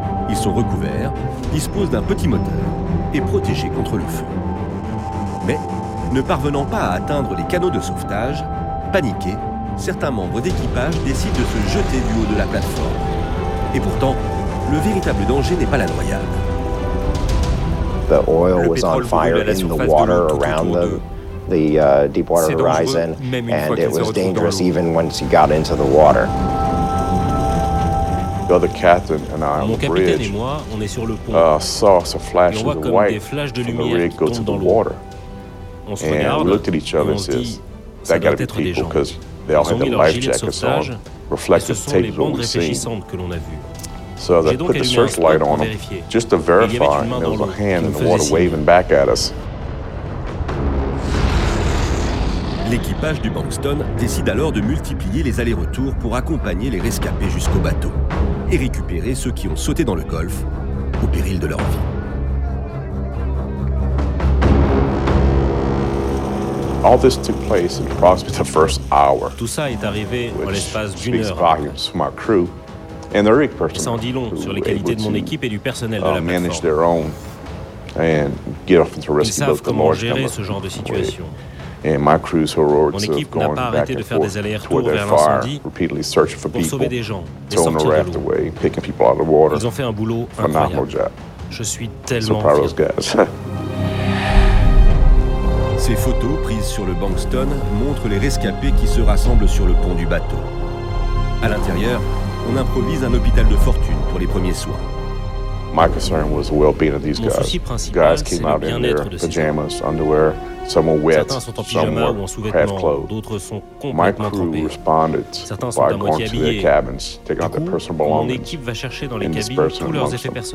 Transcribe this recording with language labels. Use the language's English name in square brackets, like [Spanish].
[French] Ils sont recouverts, disposent d'un petit moteur et protégés contre le feu. Mais, ne parvenant pas à atteindre les canaux de sauvetage, paniqués, certains membres d'équipage décident de se jeter du haut de la plateforme. Et pourtant, le véritable danger n'est pas la noyade. [English] The oil was on fire in the water around them. The deep water horizon, and it was dangerous even once you got into the water. The other captain and I on the bridge saw some flashes of white from the rig go to the water. And we looked at each other and said, that got to be people because they all had their life jackets on, reflective tapes of what we've seen. So I put the searchlight on them just to verify, and there was a hand in the water waving back at us. [French] L'équipage du Bankston décide alors de multiplier les allers-retours pour accompagner les rescapés jusqu'au bateau et récupérer ceux qui ont sauté dans le golfe au péril de leur vie. [English] All this took place in approximately the first hour. [French] Tout ça est arrivé en l'espace d'une heure. [English] Speaks volumes for my crew and the rig personnel. [French] Ça en dit long sur les qualités de mon équipe et du personnel de la plateforme. [English] Manage their own and get off into a rescue boat. [French] Ils savent comment gérer ce genre de situation. [English] And my crew's heroics [French] mon équipe [English] of going [French] n'a pas arrêté de faire des allers-retours vers l'incendie pour [English] people, [French] sauver des gens, les sortir de l'eau. Ils ont fait un boulot incroyable. Je suis tellement fier. [English] Those guys. [French] Ces photos prises sur le Bankston montrent les rescapés qui se rassemblent sur le pont du bateau. À l'intérieur, on improvise un hôpital de fortune pour les premiers soins. [English] My concern was the well-being of these [French] mon [English] guys. Guys came out in their pajamas, underwear. Some were wet, some were half clothed. My crew responded by going to their cabins, taking out their personal belongings, and dispersing amongst them.